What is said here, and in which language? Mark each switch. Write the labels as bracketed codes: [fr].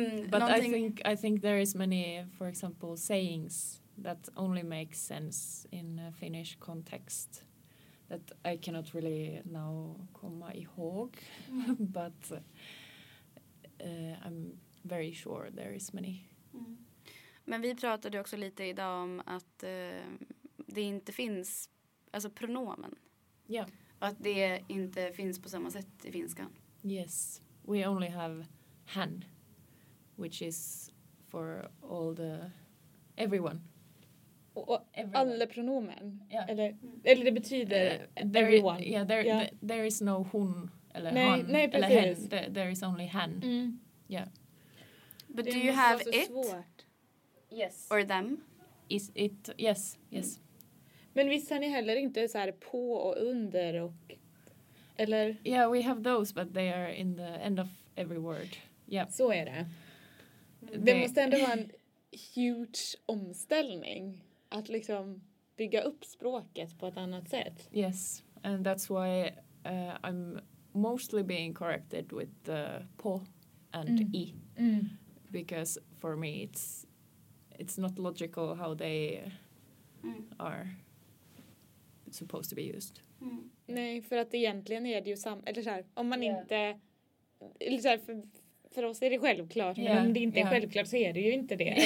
[en] but I think there is many, for example, sayings that only make sense in a Finnish context that I cannot really now [sv] komma ihåg. [en] But I'm very sure there is many. [sv] Men vi pratade också lite idag om att det inte finns, alltså pronomen. Ja. [en] Yeah. [sv] Att det inte finns på samma sätt i finskan. [en] Yes, we only have han, which is for all the, everyone. [sv] Och everyone. Alla pronomen? Yeah. Eller, eller det betyder everyone? [en] Yeah, there is no [sv] hon eller nej, han nej, eller hen. [en] There is only han. Mm. Yeah. But do you have it? [sv] Svårt. [en] Yes. Or them? Is it, yes, yes. [sv] Men visst har ni heller inte så här på och under och, eller? [en] Yeah, we have those, but they are in the end of every word. Yeah. [sv] Så är det. Det måste ändå vara en huge omställning att liksom bygga upp språket på ett annat sätt. [en] Yes, and that's why I'm mostly being corrected with the på and i. Mm. Because for me it's not logical how they are supposed to be used. Mm. [sv] Nej, för att egentligen är det ju samma, eller så här, om man inte, eller så här, för oss är det självklart, men om det inte är självklart så är det ju inte det.